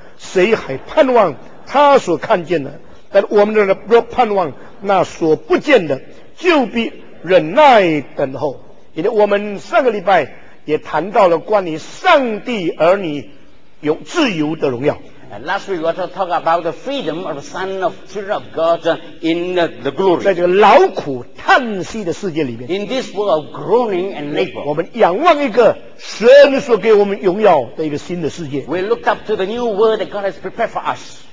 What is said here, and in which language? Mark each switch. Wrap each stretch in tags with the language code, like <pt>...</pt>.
<zh>谁还盼望他所看见的？但我们的若盼望那所不见的，就必忍耐等候。因为我们上个礼拜也谈到了关于上帝儿女有自由的荣耀。</zh> <en>Last week we also talk about the freedom of the son of children of God in the glory.</en> <zh>在这个劳苦叹息的世界里面</zh> <en>，in this world of groaning and labor，</en> <zh>我们仰望一个神所给我们荣耀的一个新的世界。</zh> <en>We look up to the new world that God has prepared for us.</en>